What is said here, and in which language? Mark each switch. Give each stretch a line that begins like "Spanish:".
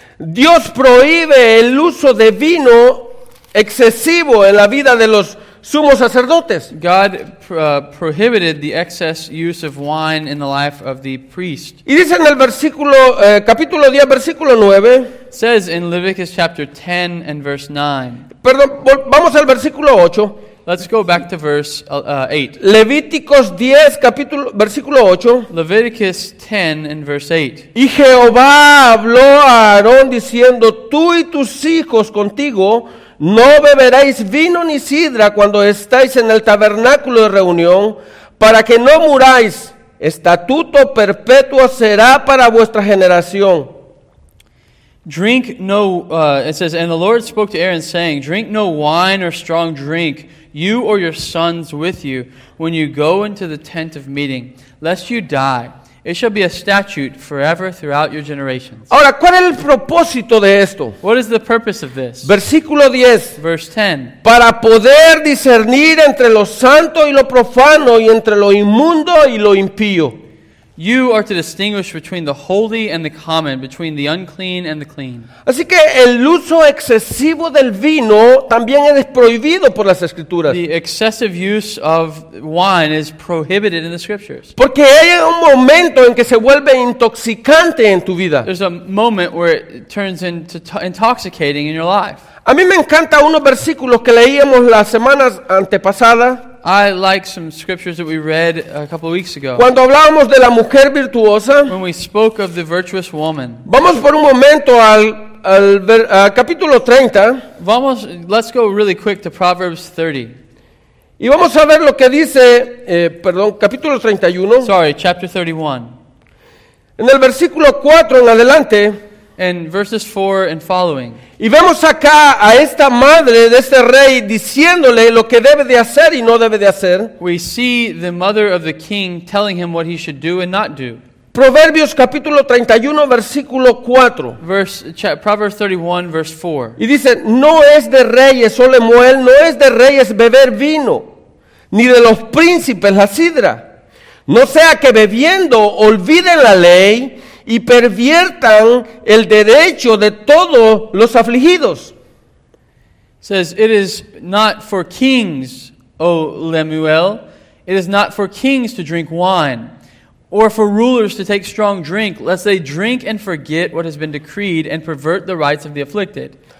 Spanish: Dios prohíbe el uso de vino excesivo en la vida de los sumos sacerdotes.
English: God prohibited the excess use of wine in the life of the priest.
Spanish: Y dice en el versículo, capítulo 10, versículo 9.
English: Says in Leviticus chapter 10 and verse 9.
Spanish: Perdón, vamos al versículo 8.
English: Let's go back to verse 8.
Spanish: Levíticos 10, capítulo, versículo 8.
English: Leviticus 10 and verse 8.
Spanish: Y Jehová habló a Aarón diciendo, tú y tus hijos contigo no beberéis vino ni sidra cuando estáis en el tabernáculo de reunión, para que no muráis. Estatuto perpetuo será para vuestra generación.
English: Drink no, it says, and the Lord spoke to Aaron saying, drink no wine or strong drink, you or your sons with you, when you go into the tent of meeting, lest you die. It shall be a statute forever throughout your generations.
Spanish: Ahora, ¿cuál es el propósito de esto?
English: What is the purpose of this?
Spanish: Versículo 10.
English: Verse 10.
Spanish: Para poder discernir entre lo santo y lo profano, y entre lo inmundo y lo impío.
English: You are to distinguish between the holy and the common, between the unclean and the clean.
Spanish: Así que el uso excesivo del vino también es prohibido por las escrituras.
English: The excessive use of wine is prohibited in the scriptures.
Spanish: Porque hay un momento en que se vuelve intoxicante en tu vida.
English: There's a moment where it turns into intoxicating in your life.
Spanish: A mí me encanta unos versículos que leíamos las semanas antepasadas.
English: I like some scriptures that we read a couple of weeks ago.
Spanish: Cuando hablábamos de la mujer virtuosa,
English: when we spoke of the virtuous woman.
Spanish: Vamos por un momento al capítulo 30. Vamos,
English: let's go really quick to Proverbs 30.
Spanish: Y vamos a ver lo que dice, capítulo 31.
English: Sorry, chapter 31.
Spanish: En el versículo 4 en adelante.
English: In verses 4 and following.
Spanish: Y vemos acá a esta madre de este rey diciéndole lo que debe de hacer y no debe de hacer.
English: We see the mother of the king telling him what he should do and not do.
Spanish: Proverbios capítulo 31 versículo 4.
English: Proverbs 31 verse 4.
Spanish: Y dice, no es de reyes, oh Lemuel, no es de reyes beber vino, ni de los príncipes la sidra. No sea que bebiendo olviden la ley y perviertan el derecho de todos los afligidos.
English: Says, it is not for kings, O Lemuel. It is not for kings to drink wine, or for rulers to take strong drink, lest they drink and forget what has been decreed and pervert the rights of the afflicted.